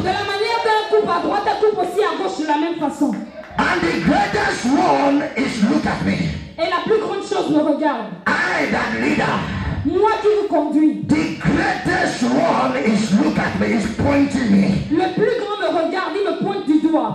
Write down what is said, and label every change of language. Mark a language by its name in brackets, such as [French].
[French] De la manière qu'elle coupe à droite, elle coupe aussi à gauche de la même façon. [English] And the greatest one is look at me. [French] Et la plus grande chose me regarde. [English] I that leader. [French] Moi qui vous conduis. [English] The greatest one is look at me, is pointing me. [French] Le plus grand me regarde, il me pointe du doigt.